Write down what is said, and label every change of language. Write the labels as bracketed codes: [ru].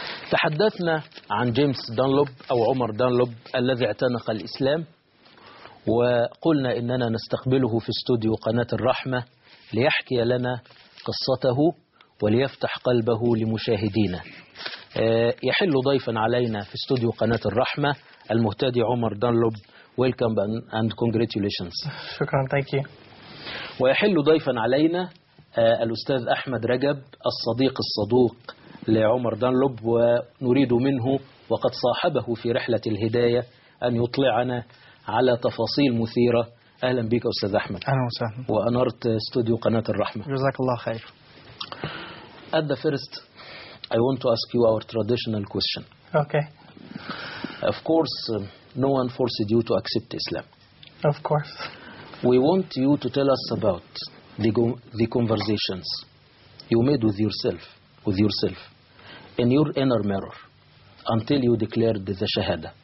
[ar] تحدثنا عن جيمس دانلوب أو عمر دانلوب الذي اعتنق الإسلام، وقلنا إننا نستقبله في استوديو قناة الرحمة ليحكي لنا قصته وليفتح قلبه لمشاهدينا. يحل ضيفا علينا في استوديو قناة الرحمة المهتدي عمر دانلوب. [en] Welcome and congratulations. [ar] شكرا. [en] Thank you. [ar] ويحل ضيفا علينا الأستاذ أحمد رجب الصديق الصدوق لعمر دانلوب، ونريد منه وقد صاحبه في رحلة الهداية أن يطلعنا على تفاصيل مثيرة. أهلا بك أستاذ أحمد. أهلا وسهلا، وأنرت استوديو قناة الرحمة. جزاك الله خير. [en] At the first I want to ask you our traditional question. Okay. Of course no one forced you to accept Islam. Of course. We want you to tell us about the conversations you made with yourself, in your inner mirror, until you declared the Shahada.